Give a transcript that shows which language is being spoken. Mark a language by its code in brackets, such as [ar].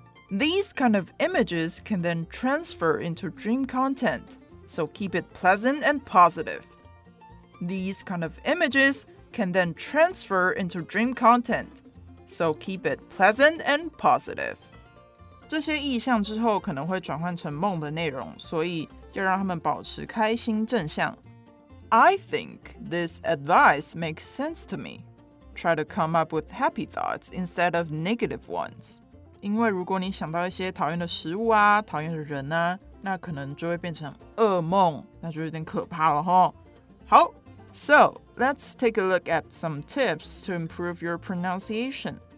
[en] These kind of images can then transfer into dream content, so keep it pleasant and positive. These kind of images can then transfer into dream content, so keep it pleasant and positive. [zh] 这些意象之后可能会转换成梦的内容，所以要让他们保持开心正向。 [en] I think this advice makes sense to me. Try to come up with happy thoughts instead of negative ones. [zh] 因为如果你想到一些讨厌的食物啊，讨厌的人啊，那可能就会变成噩梦，那就有点可怕了齁。 [en] 好，So, let's take a look at some tips to improve your pronunciation.